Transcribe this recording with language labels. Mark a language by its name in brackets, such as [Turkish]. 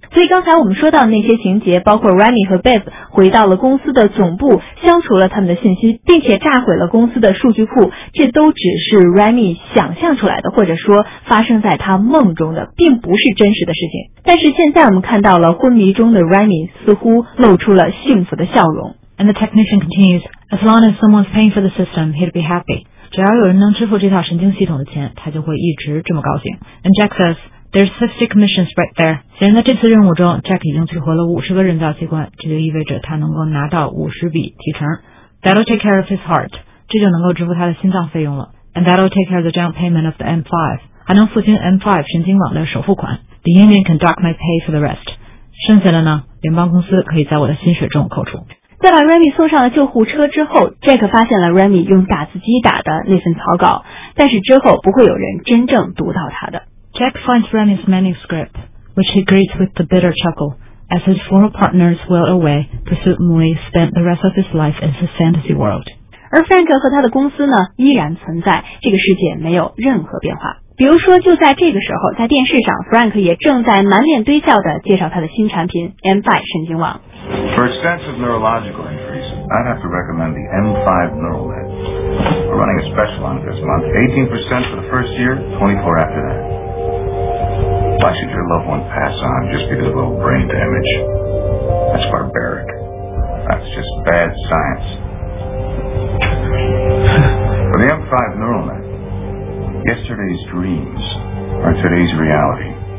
[Chinese] 所以刚才我们说到的那些情节，包括 Remy 和 Beth 回到了公司的总部，消除了他们的信息，并且炸毁了公司的数据库，这都只是 Remy 想象出来的，或者说发生在他梦中的，并不是真实的事情。但是现在我们看到了昏迷中的 Remy 似乎露出了幸福的笑容。 [English] And the technician continues, As long as someone's paying for the system, he'll be happy. [Chinese] 只要有人能支付这套神经系统的钱，他就会一直这么高兴。 [English] And Jack says,There's 50 commissions right there. [Chinese] 虽然在这次任务中 ,Jack 已经取活了50个人造器官，这就意味着他能够拿到50笔提成。 [English] That'll take care of his heart. [Chinese] 这就能够支付他的心脏费用了。 [English] And that'll take care of the down payment of the M5. [Chinese] 还能付清 M5 神经网的首付款。 [English] The union can dock my pay for the rest. [Chinese] 剩下的呢，联邦公司可以在我的薪水中扣除。在把 Remy 送上了救护车之后， Jack 发现了 Remy 用打字机打的那份草稿，但是之后不会有人真正读到他的。 [English] Jack finds Remy's manuscript, which he greets with a bitter chuckle. As his former partners well away, presumably spent the rest of his life in his fantasy world. [Chinese] 而 Frank 和他的公司呢，依然存在，这个世界没有任何变化。比如说，就在这个时候，在电视上 ，Frank 也正在满脸堆笑地介绍他的新产品 M5 神经网。 [English] For extensive neurological injuries, I'd have to recommend the M5 neural net. We're running a special on it this month, 18% for the first year, 24 after that. Why should your loved one pass on just because of a little brain damage? That's barbaric. That's just bad science. For the M5 neural net, yesterday's dreams are today's reality.